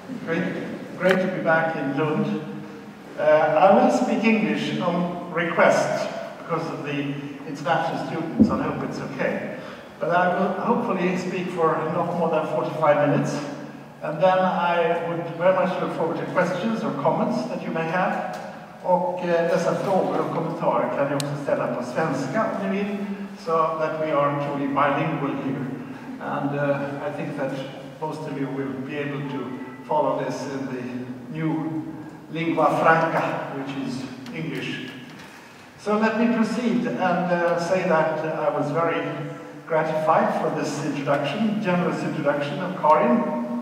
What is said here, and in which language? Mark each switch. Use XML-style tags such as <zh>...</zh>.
<en>Great to be back in Lund. I will speak English on request because of the international students. I hope it's okay. But I will hopefully speak for not more than 45 minutes. And then I would very much look forward to questions or comments that you may have.</en> <sv>Och dessa frågor och kommentarer kan ni också ställa på svenska om ni vill,</sv> <en>so that we are truly bilingual here. And I think that most of you will be able to follow this in the new lingua franca, which is English. So let me proceed and say that I was very gratified for this introduction, generous introduction of Karin.</en>